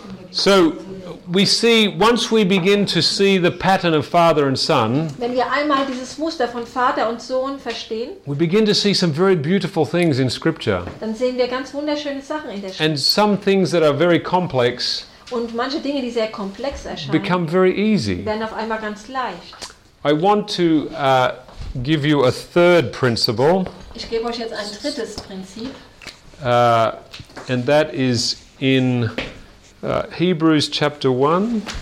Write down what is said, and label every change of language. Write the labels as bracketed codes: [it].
[en] So we see, once we begin to see the pattern of Father and Son, [de] wenn wir einmal dieses Muster von Vater und Sohn verstehen, [en] we begin to see some very beautiful things in Scripture. [de] Dann sehen wir ganz wunderschöne Sachen in der Schrift. [en] And some things that are very complex. [de] Und manche Dinge, die sehr komplex erscheinen, [en] become very easy. [de] Werden auf einmal ganz leicht. [en] I want to give you a third principle. [de] Ich gebe euch jetzt ein drittes Prinzip. [en] And that is in Hebrews chapter 1.